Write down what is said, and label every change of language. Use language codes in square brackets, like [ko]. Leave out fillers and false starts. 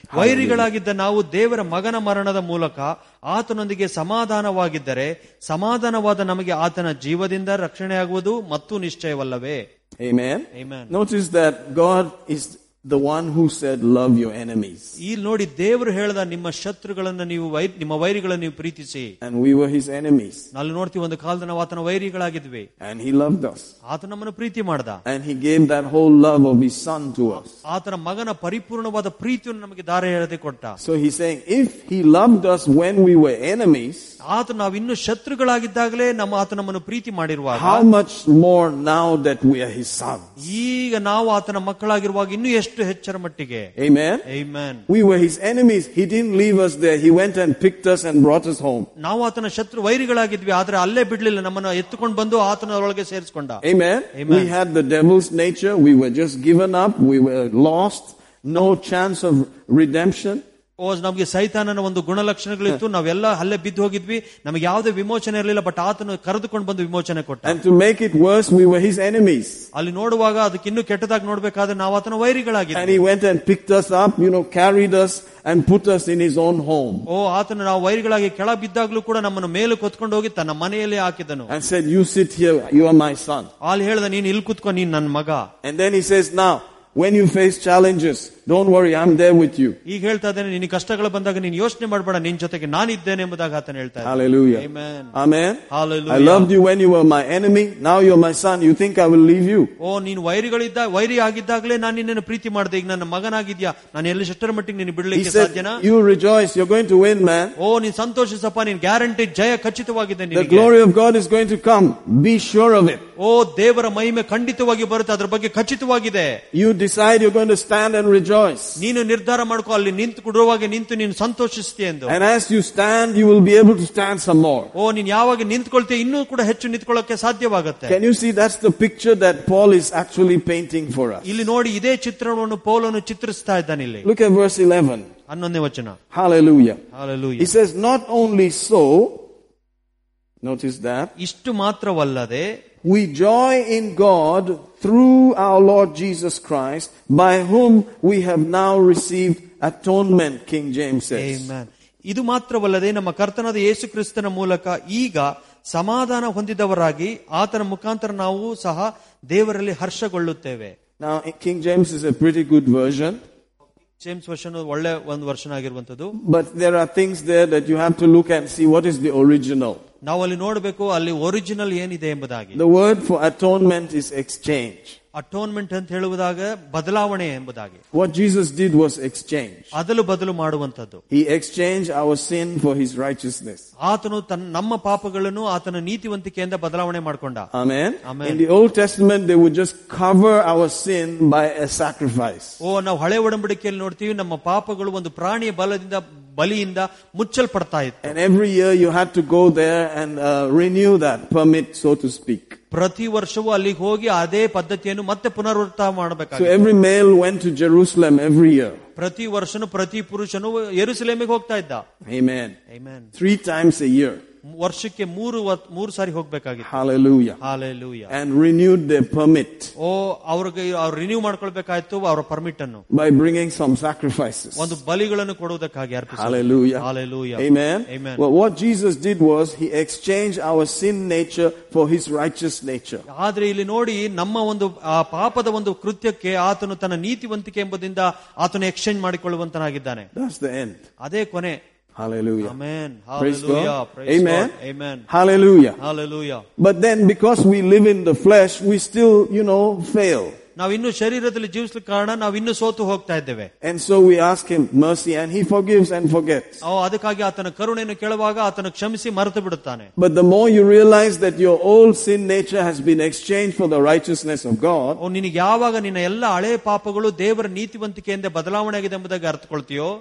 [kn] ವೈರಿಗಳಾಗಿದ್ದ ನಾವು ದೇವರ ಮಗನ ಮರಣದ ಮೂಲಕ ಆತನೊಂದಿಗೆ ಸಮಾಧಾನವಾಗಿದ್ದರೆ ಸಮಾಧಾನವಾದ ನಮಗೆ ಆತನ ಜೀವದಿಂದ ರಕ್ಷಣೆಯಾಗುವುದು ಮತ್ತು ನಿಶ್ಚಯವಲ್ಲವೇ. [en] Amen. Amen. Notice that God is the one who said love your enemies. [kn] ಇಲ್ಲಿ ನೋಡಿ ದೇವರು ಹೇಳಿದ ನಿಮ್ಮ ಶತ್ರುಗಳನ್ನು ನೀವು ನಿಮ್ಮ ವೈರಿಗಳನ್ನು ನೀವು ಪ್ರೀತಿಸಿ. [en] And we were his enemies. [kn] ನಾವು ನೋಡ್ತೀವಿ ಒಂದು ಕಾಲದ ನಾವು ಆತನ ವೈರಿಗಳಾಗಿದ್ವಿ. [en] And he loved us. [kn] ಆತ ನಮ್ಮನ್ನು ಪ್ರೀತಿ ಮಾಡಿದ. [en] And he gave that whole love of his son to us. [kn] ಆತನ ಮಗನ ಪರಿಪೂರ್ಣವಾದ ಪ್ರೀತಿಯನ್ನು ನಮಗೆ ಧಾರೆ ಎಳೆದು ಕೊಟ್ಟ. [en] So he's saying if he loved us when we were enemies, [kn] ಆತ ನಾವಿನ್ನೂ ಶತ್ರುಗಳಾಗಿದ್ದಾಗಲೇ ನಮ್ಮ ಆತ ನಮ್ಮನ್ನು ಪ್ರೀತಿ ಮಾಡಿರುವಾಗ, [en] how much more now that we are his sons. [kn] ಈಗ ನಾವು ಆತನ ಮಕ್ಕಳಾಗಿರುವಾಗ ಇನ್ನೂ ಎಷ್ಟು ಹೆಚ್ಚರ ಮಟ್ಟಿಗೆ. [en] Amen. Amen. We were his enemies. He didn't leave us there. He went and picked us and brought us home. [kn] ನಾವು ಆತನ ಶತ್ರು ವೈರಿಗಳಾಗಿದ್ವಿ ಆದರೆ ಅಲ್ಲೇ ಬಿಡಲಿಲ್ಲ, ನಮ್ಮನ್ನು ಎತ್ತುಕೊಂಡು ಬಂದು ಆತನ ಒಳಗೆ ಸೇರಿಸಿಕೊಂಡ. [en] Amen. We had the devil's nature. We were just given up. We were lost. No chance of redemption. [kn] ನಮಗೆ ಸೈತಾನನ ಒಂದು ಗುಣಲಕ್ಷಣಗಳಿತ್ತು, ನಾವೆಲ್ಲ ಅಲ್ಲೇ ಬಿದ್ದು ಹೋಗಿದ್ವಿ, ನಮಗೆ ಯಾವುದೇ ವಿಮೋಚನೆ ಇರಲಿಲ್ಲ, ಬಟ್ ಆತನು ಕರೆದುಕೊಂಡು ಬಂದು ವಿಮೋಚನೆ ಕೊಟ್ಟ. [en] And to make it worse, we were his enemies. [kn] ಅಲ್ಲಿ ನೋಡುವಾಗ ಅದಕ್ಕೆ ಇನ್ನೂ ಕೆಟ್ಟದಾಗಿ ನೋಡಬೇಕಾದ್ರೆ ನಾವು ಆತನ ವೈರಿಗಳಾಗಿದ್ದೆವು. [en] And he went and picked us up, you know, carried us and put us in his own home. [kn] ಓ ಆತನ ನಾವು ವೈರಿಗಳಾಗಿ ಕೆಳ ಬಿದ್ದಾಗಲೂ ಕೂಡ ನಮ್ಮನ್ನು ಮೇಲೆ ಕೊತ್ಕೊಂಡು ಹೋಗಿ ತನ್ನ ಮನೆಯಲ್ಲಿ ಹಾಕಿದನು. [en] And said, you sit here, you are my son. [kn] ಅಲ್ಲಿ ಹೇಳಿದ ನೀನು ಇಲ್ಲಿ ಕೂತ್ಕೋ, ನೀನು ನನ್ನ ಮಗ. [en] And then he says, now when you face challenges, don't worry, I'm there with you. [kn] ಈ ಹೇಳ್ತಾ ಇದ್ದಾನೆ ನಿನ್ನ ಕಷ್ಟಗಳು ಬಂದಾಗ ನಿನ್ನ ಯೋಚನೆ ಮಾಡಬೇಡ, ನಿನ್ನ ಜೊತೆಗೆ ನಾನು ಇದ್ದೇನೆ ಎಂಬುದಾಗಿ ಆತನು ಹೇಳ್ತಾ ಇದ್ದಾನೆ. Hallelujah. [en] Amen. Amen. Hallelujah. I loved you when you were my enemy. Now you're my son. You think I will leave you? [kn] ಓ ನೀನು ವೈರಿಗಳಿದ್ದ ವೈರಿ ಆಗಿದ್ದಾಗಲೇ ನಾನು ನಿನ್ನನ್ನು ಪ್ರೀತಿ ಮಾಡಿದೆ, ಈಗ ನನ್ನ ಮಗನಾಗಿದ್ಯಾ, ನಾನು ಎಲ್ಲಿ ಎಷ್ಟರ ಮಟ್ಟಿಗೆ ನಿನ್ನ ಬಿಡಲಿಕ್ಕೆ ಸಾಧ್ಯನಾ? [en] You rejoice. You're going to win, man. [kn] ಓ ನೀನು ಸಂತೋಷಿಸಪ್ಪ, ನಿನ್ನ ಗ್ಯಾರಂಟಿ ಜಯ ಖಚಿತವಾಗಿದೆ ನಿನಗೆ. [en] The glory of God is going to come. Be sure of it. [kn] ಓ ದೇವರ ಮಹಿಮೆ ಖಂಡಿತವಾಗಿ ಬರುತ್ತೆ, ಅದರ ಬಗ್ಗೆ ಖಚಿತವಾಗಿದೆ. [en] You decide you're going to stand and rejoice. [kn] ನೀನು ನಿರ್ಧಾರ ಮಾಡ್ಕೋ, ಅಲ್ಲಿ ನಿಂತು ಕುಡುವಾಗ ನಿಂತು ನೀನು ಸಂತೋಷಿಸ್ತೀಯ ಎಂದು. [en] And as you stand, you will be able to stand some more. [kn] ಓ ನೀನು ಯಾವಾಗ ನಿಂತ್ಕೊಳ್ತೀಯ ಇನ್ನೂ ಕೂಡ ಹೆಚ್ಚು ನಿಂತ್ಕೊಳ್ಳಕ್ಕೆ ಸಾಧ್ಯವಾಗುತ್ತೆ. [en] Can you see that's the picture that Paul is actually painting for us? [kn] ಇಲ್ಲಿ ನೋಡಿ ಇದೇ ಚಿತ್ರವನ್ನು ಪೌಲನು ಚಿತ್ರಿಸ್ತಾ ಇದ್ದಾನೆ ಇಲ್ಲಿ. [en] Look at verse 11. [kn] 11ನೇ ವಚನ. [en] Hallelujah. Hallelujah. He says not only so, notice that. [kn] ಇಷ್ಟು ಮಾತ್ರವಲ್ಲದೆ, [en] we joy in God through our Lord Jesus Christ, by whom we have now received atonement, King James says. Amen. [kn] ಇದು ಮಾತ್ರವಲ್ಲದೆ ನಮ್ಮ ಕರ್ತನಾದ ಯೇಸು ಕ್ರಿಸ್ತನ ಮೂಲಕ ಈಗ ಸಮಾಧಾನ ಹೊಂದಿದವರಾಗಿ ಆತನ ಮುಖಾಂತರ ನಾವು ಸಹ ದೇವರಲ್ಲಿ ಹರ್ಷಗೊಳ್ಳುತ್ತೇವೆ. [en] Now, King James is a pretty good version. [kn] James version ಒಳ್ಳೆ ಒಂದು ವರ್ಷನ್ ಆಗಿರುವಂತದ್ದು. [en] But there are things there that you have to look and see what is the original. [kn] ನಾವು ಅಲ್ಲಿ ನೋಡಬೇಕು ಅಲ್ಲಿ ಒರಿಜಿನಲ್ ಏನಿದೆ ಎಂಬುದಾಗಿ. [en] The word for atonement is exchange. [kn] Atonement ಅಂತ ಹೇಳುವುದಾಗ ಬದಲಾವಣೆ ಎಂಬುದಾಗಿ. [en] What Jesus did was exchange. [kn] ಅದಲು ಬದಲು ಮಾಡುವಂತದ್ದು. [en] He exchanged our sin for his righteousness. [kn] ಆತನು ನಮ್ಮ ಪಾಪಗಳನ್ನು ಆತನ ನೀತಿವಂತಿಕೆಯಿಂದ ಬದಲಾವಣೆ ಮಾಡಿಕೊಂಡ. [en] Amen. Amen. In the Old Testament they would just cover our sin by a sacrifice. [kn] ಓ ನಾವು ಹಳೆ ಒಡಂಬಡಿಕೆಯಲ್ಲಿ ನೋಡ್ತೀವಿ ನಮ್ಮ ಪಾಪಗಳು ಒಂದು ಪ್ರಾಣಿಯ ಬಲಿಯಿಂದ ಮುಚ್ಚಲ್ಪಡ್ತಾ ಇತ್ತು. [en] And every year you had to go there and renew that permit, so to speak. [kn] ಪ್ರತಿ ವರ್ಷವೂ ಅಲ್ಲಿಗೆ ಹೋಗಿ ಅದೇ ಪದ್ಧತಿಯನ್ನು ಮತ್ತೆ ಪುನರ್ವರ್ತ ಮಾಡಬೇಕು. [en] Every male went to Jerusalem every year. [kn] ಪ್ರತಿ ವರ್ಷನು ಪ್ರತಿ ಪುರುಷನು ಯೆರೂಸಲೇಮಿಗೆ ಹೋಗ್ತಾ ಇದ್ದ. [en] Amen amen. 3 times a year, [kn] ವರ್ಷಕ್ಕೆ ಮೂರು ಸಾರಿ ಹೋಗಬೇಕಾಗಿತ್ತು. [en] Hallelujah hallelujah. And renewed they permit. [kn] ಓ ಅವರಿಗೆ ಅವರು ರಿನ್ಯೂ ಮಾಡ್ಕೊಳ್ಬೇಕಾಯ್ತು ಅವರ ಪರ್ಮಿಟ್ ಅನ್ನು. [en] by bringing some sacrifices, [kn] ಒಂದು ಬಲಿಗಳನ್ನು ಕೊಡುವುದಕ್ಕಾಗಿ ಅರ್ಪಿಸಿದರು. [en] Hallelujah hallelujah. Amen amen. What Jesus did was he exchange our sin nature for his righteous nature. [kn] ಆದ್ರೆ ಇಲ್ಲಿ ನೋಡಿ, ನಮ್ಮ ಒಂದು ಪಾಪದ ಒಂದು ಕೃತ್ಯಕ್ಕೆ ಆತನು ತನ್ನ ನೀತಿವಂತಿಕೆ ಎಂಬುದರಿಂದ ಆತನು ಎಕ್ಸ್ಚೇಂಜ್ ಮಾಡಿಕೊಳ್ಳುವಂತನಾಗಿದ್ದಾನೆ. [en] That's the end. [kn] ಅದೇ ಕೊನೆ. [en] Hallelujah. Amen. Praise God. Amen. Hallelujah. Hallelujah. But then because we live in the flesh, we still, you know, fail. [kn] ನಾವು ಇನ್ನು ಶರೀರದಲ್ಲಿ ಜೀವಿಸಲು ಕಾರಣ ನಾವು ಇನ್ನು ಸೋತು ಹೋಗ್ತಾ ಇದ್ದೇವೆ. [en] And so we ask him mercy and he forgives and forgets. [kn] ಅದಕ್ಕಾಗಿ ಆತನ ಕರುಣೆಯನ್ನು ಕೇಳುವಾಗ ಆತನ ಕ್ಷಮಿಸಿ ಮರೆತು ಬಿಡುತ್ತಾನೆ. [en] But the more you realise that your old sin nature has been exchange for the righteousness of God. [kn] ನಿನಗೆ ಯಾವಾಗ ನಿನ್ನ ಎಲ್ಲ ಹಳೆ ಪಾಪಗಳು ದೇವರ ನೀತಿವಂತಿಕೆಯಿಂದ ಬದಲಾವಣೆ ಆಗಿದೆ ಎಂಬುದಾಗಿ ಅರ್ಥಕೊಳ್ತೀಯೋ,